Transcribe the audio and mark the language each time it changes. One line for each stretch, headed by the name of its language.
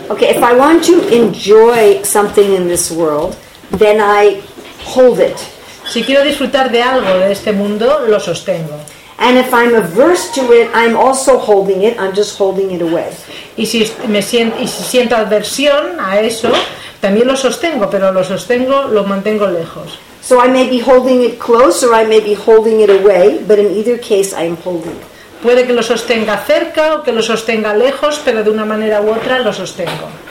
English: Okay, if I want to enjoy something in this world, then I hold it.
Spanish: Si quiero disfrutar de algo de este mundo, lo sostengo.
English: And if I'm averse to it, I'm also holding it. I'm just holding it away.
Spanish: Y si siento aversión a eso, también lo sostengo, pero lo sostengo, lo mantengo lejos.
English: So I may be holding it close or I may be holding it away, but in either case I am holding it.
Spanish: Puede que lo sostenga cerca o que lo sostenga lejos, pero de una manera u otra lo sostengo.